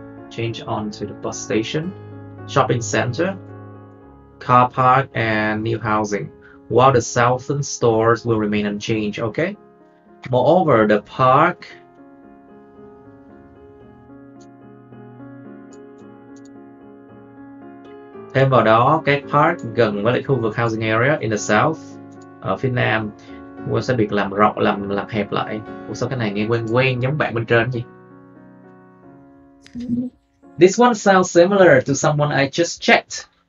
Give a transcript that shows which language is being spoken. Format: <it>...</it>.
<en>Change on to the bus station, shopping center, car park, and new housing, while the southern stores will remain unchanged, okay? Moreover, the park</en> <vi>thêm vào đó, cái park gần với lại khu vực housing area</vi> <en>in the south,</en> <vi>ở phía nam, cũng sẽ bị làm rộng, làm hẹp lại. Ủa sao cái này nghe quen, giống bạn bên trên gì?</vi> <en>This one sounds similar to someone I just checked.</en>